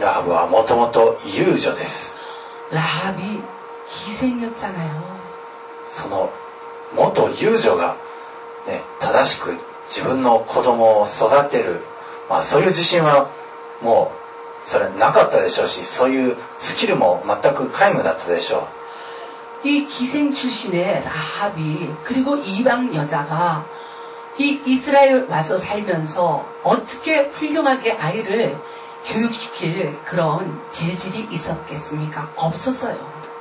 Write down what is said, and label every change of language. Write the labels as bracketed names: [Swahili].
[Japanese] 라합은もともと遊女です [Korean] 라합이기생이었잖아요 [Japanese] その元遊女が、ね、正しく自分の子供を育てる、まあ、そういう自信はもうそれなかったでしょうしそういうスキルも全く皆無だったでしょう [Korean] 이기생출신의라합이그리고이방여자가이이스라엘와서살면서어떻게훌륭하게아이를교육시킬그런재질이있었겠습니까없었어요